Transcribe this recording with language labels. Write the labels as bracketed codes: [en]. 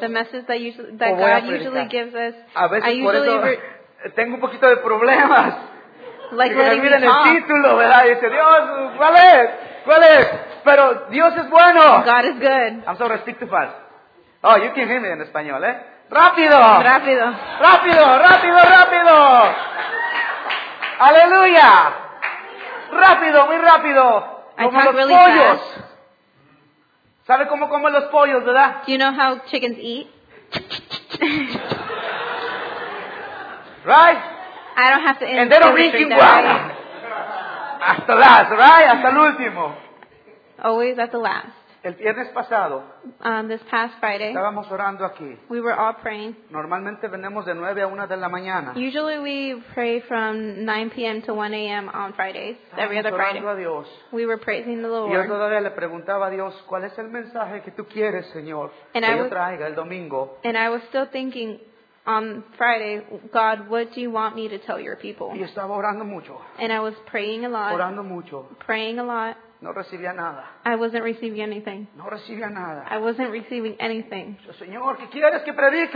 [en] The message that, that God usually gives us. [es] A veces [en] I usually [es] por eso tengo un poquito de problemas. [en] Like letting me talk. [es] El título, ¿verdad? Y dice, Dios, ¿cuál es? ¿Cuál es? Pero Dios es bueno. [en] God is good. I'm sorry, speak too fast. Oh, you can hear me in español, ¿eh? [es] ¡Rápido! ¡Rápido! ¡Rápido, rápido, rápido! ¡Aleluya! ¡Rápido, muy rápido! ¡Como los [en] really [es] pollos! [en] Fast. [es] ¿Sabe cómo comen los pollos, verdad? [en] Do you know how chickens eat? Right? I don't have to answer. And they don't drink water. Hasta last, right? [es] Hasta el último. [en] Always at the last. [es] El viernes pasado, [en] this past Friday, [es] estábamos orando aquí. [en] We were all praying. [es] Normalmente venimos de 9 a 1 de la mañana. [en] Usually we pray from 9 p.m. to 1 a.m. on Fridays, every other Friday. [es] Orando a Dios. [en] We were praising the Lord. [es] Y yo todavía le preguntaba a Dios, ¿cuál es el mensaje que tú quieres, Señor, que yo traiga el domingo? [en] And I was still thinking on Friday, God, what do you want me to tell your people? [es] Y estaba orando mucho. [en] And I was praying a lot. [es] Orando mucho. [en] Praying a lot. [es] No recibía nada. [en] I wasn't receiving anything. [es] No recibía nada. [en] I wasn't receiving anything. [es] Señor, ¿qué quieres que predique?